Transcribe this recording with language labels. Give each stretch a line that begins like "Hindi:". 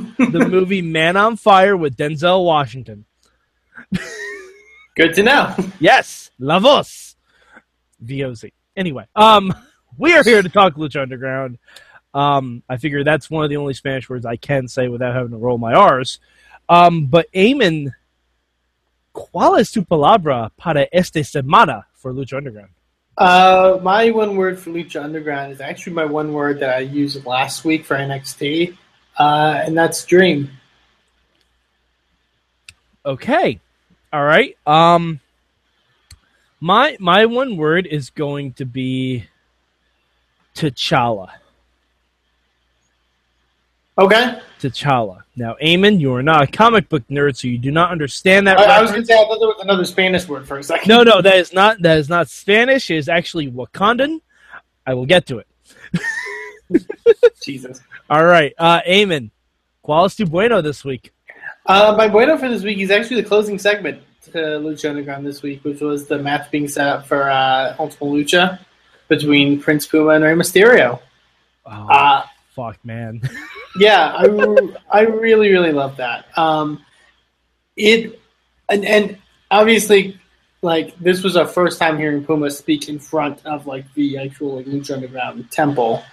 English: The movie Man on Fire with Denzel Washington. Good to know. Yes. La voz. V-O-Z. Anyway, we are here to talk Lucha Underground. I figure that's one of the only Spanish words I can say without having to roll my R's.
Spanish: But Eamon, ¿cuál es tu palabra para esta semana for Lucha Underground?
English: My one word for Lucha Underground is actually my one word that I used last week for NXT. And that's Dream. Okay. All right. My one word is going to be T'Challa. Okay. T'Challa. Now, Eamon, you are not a comic book nerd, so you do not understand that. I was going to say, I thought there was another Spanish word for a second. No, that is not Spanish. It is actually Wakandan. I will get to it. Jesus. All right, Eamon,
Spanish: ¿cuál es tu bueno
English: this week? My bueno for this week is actually the closing segment to Lucha Underground this week, which was the match being set up for Ultimate Lucha between Prince Puma and Rey Mysterio. Oh, fuck, man. Yeah, I really, really love that. And obviously, like, this was our first time hearing Puma speak in front of, like, the actual, like, Lucha Underground temple.